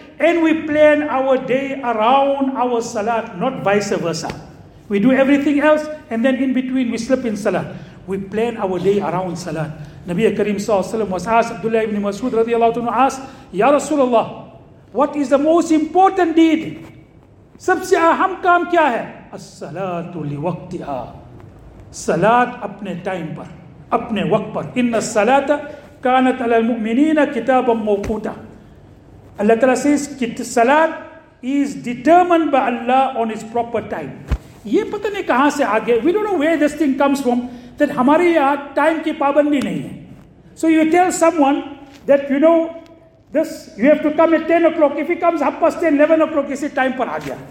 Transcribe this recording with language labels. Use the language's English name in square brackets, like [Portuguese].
[English] And we plan our day around our सलात, not vice versa. We do everything else and then in between we slip in सलात. We plan our day around सलात. Nabi Karim S.A.W. was asked, Abdullah ibn Mas'ud radiallahu anhu asked, Ya Rasulullah, what is the most important deed? [Hindi] Sabse aham kaam kya hai? [Arabic] As-salatu li waqtiha. [Hindi] Salat apne time par, apne waqt par. [Arabic] Inna salata kanat ala al-mu'minina kitabam mawquta. [English] Allah Ta'ala says, salat is determined by Allah on its proper time. [Hindi] Ye pata nahi kahan se aa gaya. [English] We don't know where this thing comes from. [Hindi] That हमारे यहाँ time की पाबंदी नहीं है. [English] So you tell someone that you know this, you have to come at 10 o'clock. If he comes 10:30, 11 o'clock, you say time [Hindi] पर आ गया.